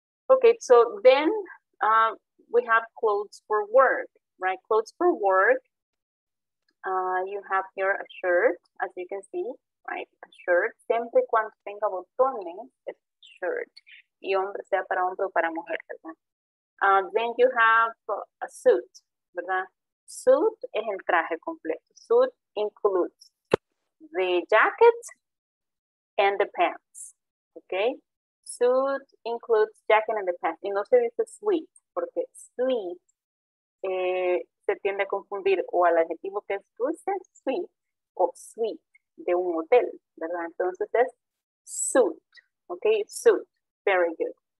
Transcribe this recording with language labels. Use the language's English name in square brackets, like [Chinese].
[English] Okay, so then we have clothes for work, right? Clothes for work, you have here a shirt, as you can see, right? [Spanish] A shirt, siempre cuando tenga botones, es shirt, y hombre sea para hombre o para mujer, ¿verdad? [English] Then you have a suit, ¿verdad? [Spanish] Suit es el traje completo. [English] Suit includes the jacket and the pants, okay? Suit includes jacket and the pants. [Spanish] Y no se dice suite, porque suite se tiende a confundir o al adjetivo que es dulce, suite, o suite de un hotel, ¿verdad? Entonces es suit, [English] okay? Suit, very good.